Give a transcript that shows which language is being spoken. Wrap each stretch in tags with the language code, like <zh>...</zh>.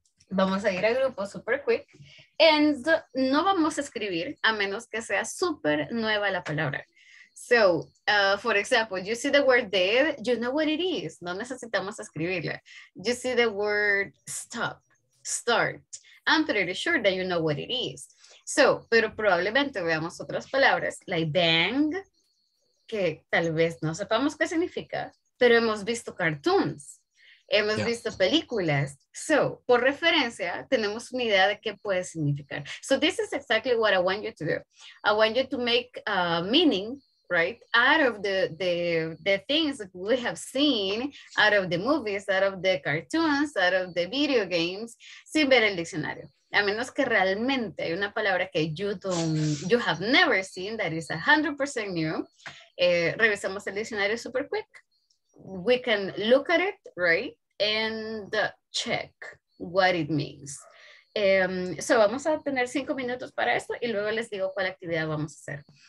<es>vamos a ir a grupo super quick.</es> <en>And</en> <es>no vamos a escribir a menos que sea super nueva la palabra.</es> <en>So, for example, you see the word dead, you know what it is.</en> <es>No necesitamos escribirla.</es> <en>You see the word stop, start. I'm pretty sure that you know what it is.</en> <es>So, pero probablemente veamos otras palabras, like bang, que tal vez no sepamos qué significa, pero hemos visto cartoons, hemos visto películas. So, por referencia, tenemos una idea de qué puede significar.</es> <en>So, this is exactly what I want you to do. I want you to make a meaning, right, out of the things that we have seen, out of the movies, out of the cartoons, out of the video games,</en> <es>sin ver el diccionario. A menos que realmente hay una palabra que</es> <en>you have never seen that is 100% new,</en> <es>revisamos el diccionario super quick.</es> <en>We can look at it, right, and check what it means.</en> <es>So vamos a tener 5 minutos para esto y luego les digo cuál actividad vamos a hacer.</es>